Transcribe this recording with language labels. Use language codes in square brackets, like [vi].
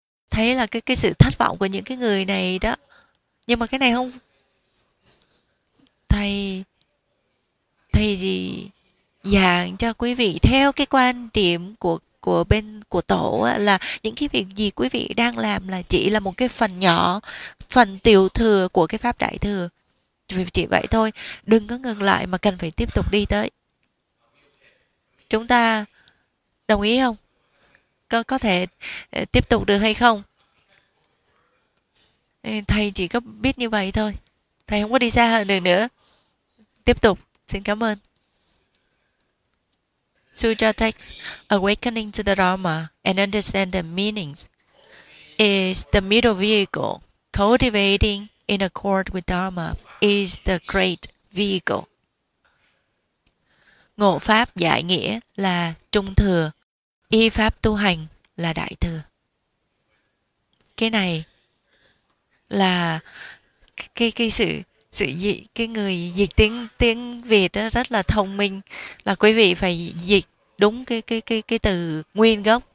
[vi] Thấy là cái sự thất vọng của những cái người này đó. Nhưng mà cái này không, thầy thầy gì giảng cho quý vị theo cái quan điểm của bên của tổ á, là những cái việc gì quý vị đang làm là chỉ là một cái phần nhỏ, phần tiểu thừa của cái pháp đại thừa, chỉ vậy thôi, đừng có ngừng lại mà cần phải tiếp tục đi tới. Chúng ta đồng ý không? Có thể tiếp tục được hay không? Thầy chỉ có biết như vậy thôi, thầy không có đi xa hơn được nữa. Tiếp tục, xin cảm ơn. [en] Sutra text, awakening to the Dharma and understand the meanings, is the middle vehicle. Cultivating in accord with Dharma is the great vehicle. [vi] Ngộ pháp giải nghĩa là trung thừa, y pháp tu hành là đại thừa. Cái này là cái sự sự dịch, cái người dịch tiếng tiếng Việt đó rất là thông minh, là quý vị phải dịch đúng cái từ nguyên gốc.